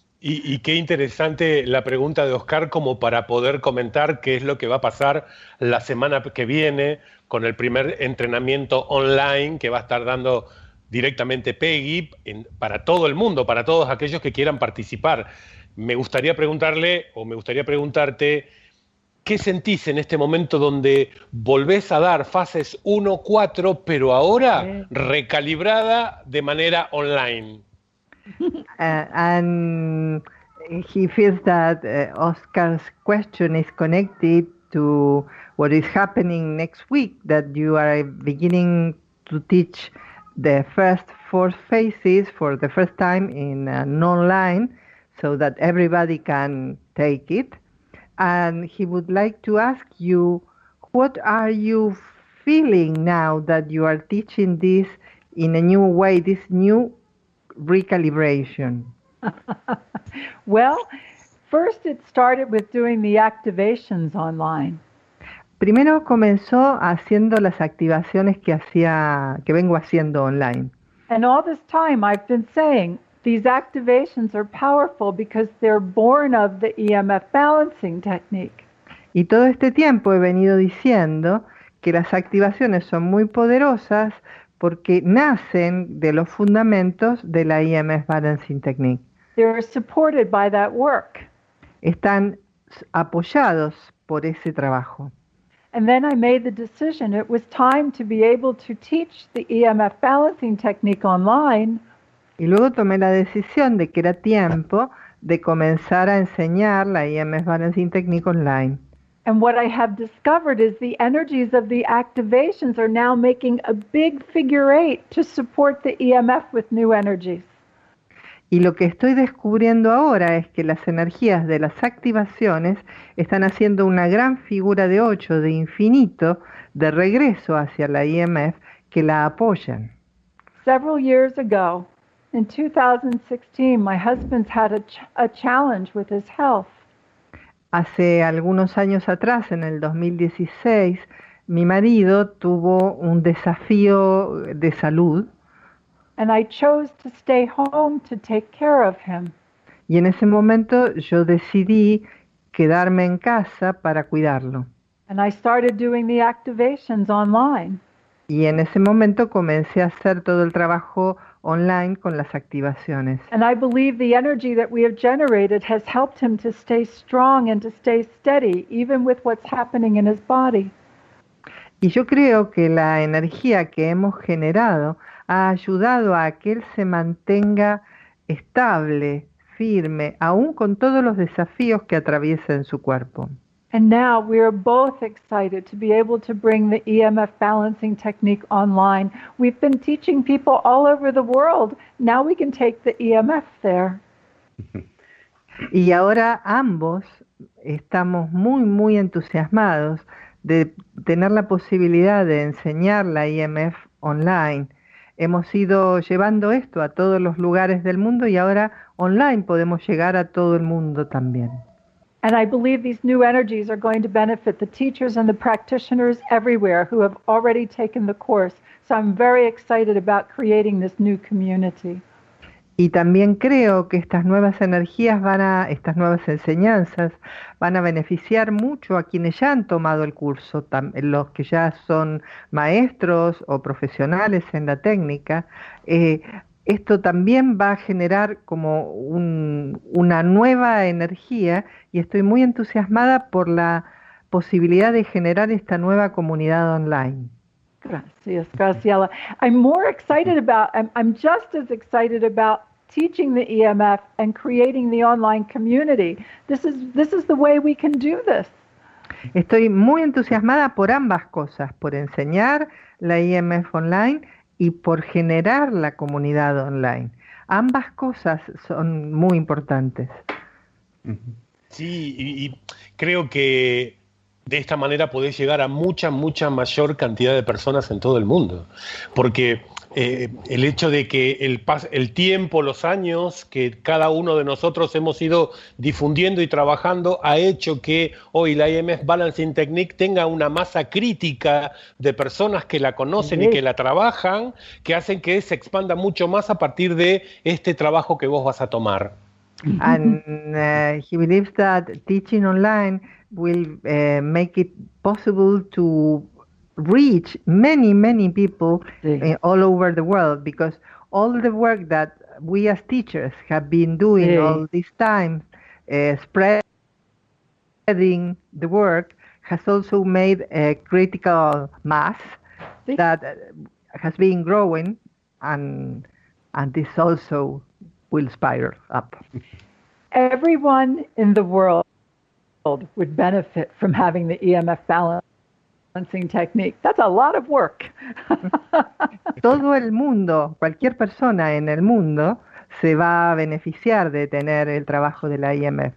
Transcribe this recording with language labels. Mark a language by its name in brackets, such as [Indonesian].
[Spanish] Y qué interesante la pregunta de Oscar, como para poder comentar qué es lo que va a pasar la semana que viene con el primer entrenamiento online que va a estar dando directamente Peggy para todo el mundo, para todos aquellos que quieran participar. Me gustaría preguntarle, o me gustaría preguntarte, ¿qué sentís en este momento donde volvés a dar fases 1, 4, pero ahora recalibrada de manera online? [English] And he feels that Oscar's question is connected to what is happening next week, that you are beginning to teach the first four phases for the first time in an online, so that everybody can take it. And he would like to ask you, what are you feeling now that you are teaching this in a new way, this new recalibration? Well, first it started with doing the activations online. [Spanish] Primero comenzó haciendo las activaciones que vengo haciendo online. [English] And all this time I've been saying, these activations are powerful because they're born of the EMF balancing technique. [Spanish] Y todo este tiempo he venido diciendo que las activaciones son muy poderosas porque nacen de los fundamentos de la EMF balancing technique. [English] They're supported by that work. [Spanish] Están apoyados por ese trabajo. [English] And then I made the decision it was time to be able to teach the EMF balancing technique online. [Spanish] Y luego tomé la decisión de que era tiempo de comenzar a enseñar la EMF Balancing Technique online. [English] And what I have discovered is the energies of the activations are now making a big figure eight to support the EMF with new energies. [Spanish] Y lo que estoy descubriendo ahora es que las energías de las activaciones están haciendo una gran figura de 8 de infinito de regreso hacia la EMF que la apoyan. [English] Several years ago, in 2016, my husband's had a challenge with his health. [Spanish] Hace algunos años atrás, en el 2016, mi marido tuvo un desafío de salud. [English] And I chose to stay home to take care of him. [Spanish] Y en ese momento yo decidí quedarme en casa para cuidarlo. [English] And I started doing the activations online. [Spanish] Y en ese momento comencé a hacer todo el trabajo online con las activaciones. [English] And I believe the energy that we have generated has helped him to stay strong and to stay steady, even with what's happening in his body. [Spanish] Y yo creo que la energía que hemos generado ha ayudado a que él se mantenga estable, firme, aún con todos los desafíos que atraviesa en su cuerpo. [English] And now we are both excited to be able to bring the EMF balancing technique online. We've been teaching people all over the world. Now we can take the EMF there. [Spanish] Y ahora ambos estamos muy, muy entusiasmados de tener la posibilidad de enseñar la EMF online. Hemos ido llevando esto a todos los lugares del mundo y ahora online podemos llegar a todo el mundo también. [English] And I believe these new energies are going to benefit the teachers and the practitioners everywhere who have already taken the course. So I'm very excited about creating this new community. [Spanish] Y también creo que estas nuevas enseñanzas van a beneficiar mucho a quienes ya han tomado el curso, los que ya son maestros o profesionales en la técnica. Esto también va a generar como una nueva energía y estoy muy entusiasmada por la posibilidad de generar esta nueva comunidad online. Gracias, Graciela. [English] I'm just as excited about teaching the EMF and creating the online community. This is the way we can do this. [Spanish] Estoy muy entusiasmada por ambas cosas, por enseñar la EMF online y por generar la comunidad online. Ambas cosas son muy importantes. Sí, y creo que De esta manera podés llegar a mucha, mucha mayor cantidad de personas en todo el mundo. Porque el hecho de que el tiempo, los años que cada uno de nosotros hemos ido difundiendo y trabajando ha hecho que hoy la IMF Balancing Technique tenga una masa crítica de personas que la conocen y que la trabajan, que hacen que se expanda mucho más a partir de este trabajo que vos vas a tomar. [English] And he believes that teaching online will make it possible to reach many, many people all over the world, because all the work that we as teachers have been doing all this time, spreading the work, has also made a critical mass that has been growing, and this also will spiral up. Everyone in the world would benefit from having the EMF balancing technique. That's a lot of work. [Spanish] Todo el mundo, cualquier persona en el mundo, se va a beneficiar de tener el trabajo de la EMF.